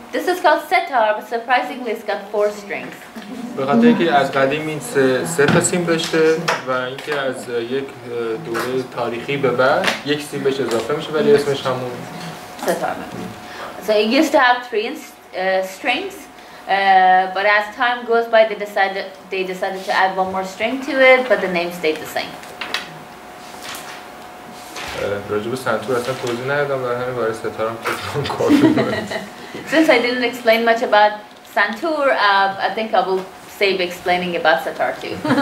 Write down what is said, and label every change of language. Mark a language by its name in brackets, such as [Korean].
[English] This is called setar, but surprisingly, it's got four strings. [Persian] بخاطر اینکه از قدیم means سه تا سیم بشه و اینکه از یک دوره تاریخی به بعد یک سیم بشه اضافه میشه ولی اسمش همون [English] setar. So it used to have three strings, but as time goes by, they decided to add one more string to it, but the name stayed the same. [Persian] راجب سنتور اصلا توضیح ندادم در همین باره ستار هم کار [English] Since I didn't explain much about Santur, I think I will save explaining about Setar too.